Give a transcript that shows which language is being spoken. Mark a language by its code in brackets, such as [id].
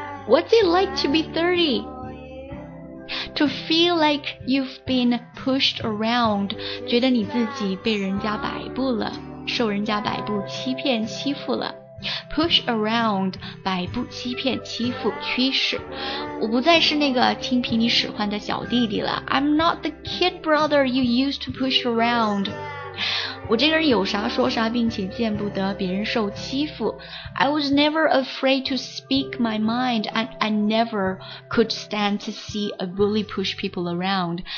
[en] What's it like to be 30? To feel like you've been pushed around, [zh] 觉得你自己被人家摆布了，受人家摆布、欺骗、欺负了。 Push around, 摆布、欺骗、欺负、驱使。我不再是那个听凭你使唤的小弟弟了。 [en] I'm not the kid brother you used to push around. [zh] 我这个人有啥说啥，并且见不得别人受欺负。 [en] I was never afraid to speak my mind, and I never could stand to see a bully push people around.